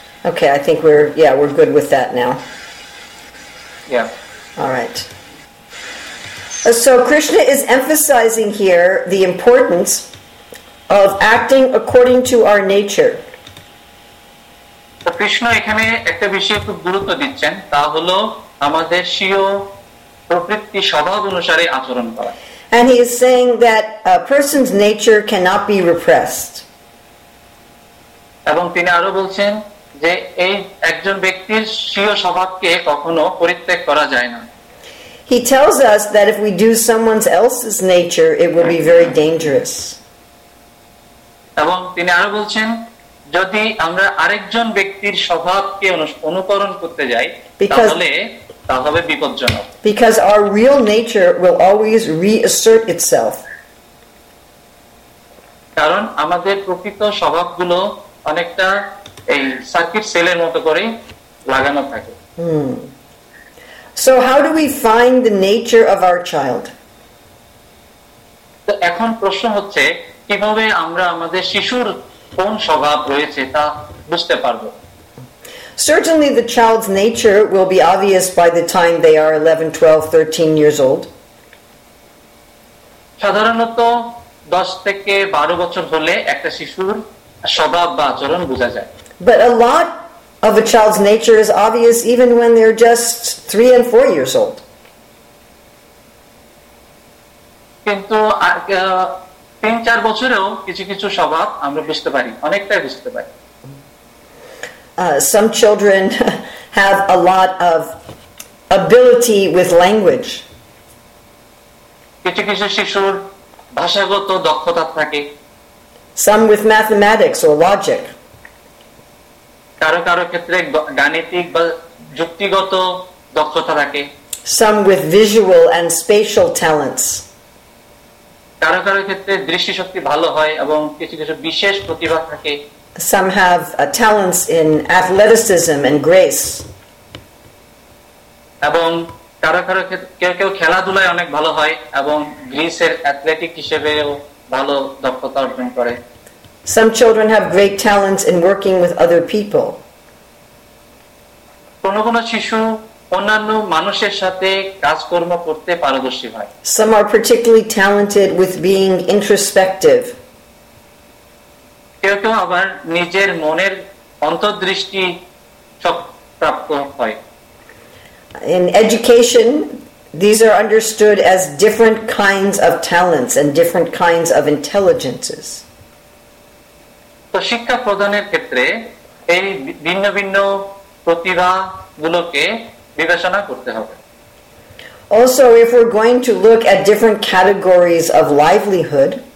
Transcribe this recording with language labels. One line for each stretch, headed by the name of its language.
English: Okay, I think we're good with that now. Yeah. All right. So Krishna is emphasizing here the importance of acting according to our nature.
Bangla: Krishna এখানে একটা বিষয়ে খুব গুরুত্ব দিচ্ছেন, তা হলো আমাদের স্বীয় প্রকৃতি স্বভাব অনুসারে আচরণ করা।
English: And he is saying that a person's nature cannot be repressed.
Bangla: এবং তিনি আরো বলছেন যে এই একজন ব্যক্তির স্বীয় স্বভাবকে কখনো পরিত্যাগ করা যায় না।
English: He tells us that if we do someone else's nature, it will be very dangerous.
Bangla: এবং তিনি আরো বলছেন যদি আমরা আরেকজন ব্যক্তির স্বভাবকে অনুকরণ করতে যাই তাহলে তা হবে বিপজ্জনক।
English: Because our real nature will always reassert itself.
Bangla: কারণ আমাদের প্রকৃত স্বভাবগুলো অনেকটা এই সার্কিট সেলের মতো করে লাগানো থাকে।
English: So how do we find the nature of our child?
Bangla: তো এখন প্রশ্ন হচ্ছে কিভাবে আমরা আমাদের শিশুর কোন স্বভাব রয়েছে তা বুঝতে পারবো।
English: Certainly the child's nature will be obvious by the time they are 11, 12, 13 years old.
Bangla: সাধারণত 10 থেকে 12 বছর হলে একটা শিশুর স্বভাব বা আচরণ বোঝা যায়।
English: But a lot of a child's nature is obvious even when they're just 3 and 4 years old.
Bangla: কিন্তু আর 3-4 বছরেও কিছু কিছু স্বভাব আমরা বুঝতে পারি, অনেকটাই বুঝতে পারি।
English: Some children have a lot of ability with language.
Bangla: কিছু কিছু শিশুর ভাষাগত দক্ষতা থাকে।
English: Some with mathematics or logic.
Bangla: কারো কারো ক্ষেত্রে গাণিতিক বা যুক্তিগত দক্ষতা থাকে।
English: Some with visual and spatial talents.
Bangla: কারো কারো ক্ষেত্রে দৃষ্টি শক্তি ভালো হয় এবং কিছু কিছু বিশেষ প্রতিভা থাকে।
English: Some have talents in athleticism and grace.
Bangla: এবং কারো কারো ক্ষেত্রে কেউ কেউ খেলাধুলায় অনেক ভালো হয় এবং গ্রিসের অ্যাথলেটিক হিসেবেও ভালো দক্ষতা অর্জন করে।
English: Some children have great talents in working with other people.
Bangla: কোনো কোনো শিশু অন্যান্য মানুষের সাথে কাজকর্ম করতে পারদর্শী হয়।
English: Some are particularly talented with being introspective.
Bangla: কেউ কেউ আবার নিজের মনের অন্তর্দৃষ্টি প্রাপ্ত হয়।
English: In education, these are understood as different kinds of talents and different kinds of intelligences.
Bangla: তো শিক্ষা প্রদানের ক্ষেত্রে এই ভিন্ন ভিন্ন প্রতিভাগুলোকে বিবেচনা করতে হবে।
English: Also, if we're going to look at different categories of livelihood,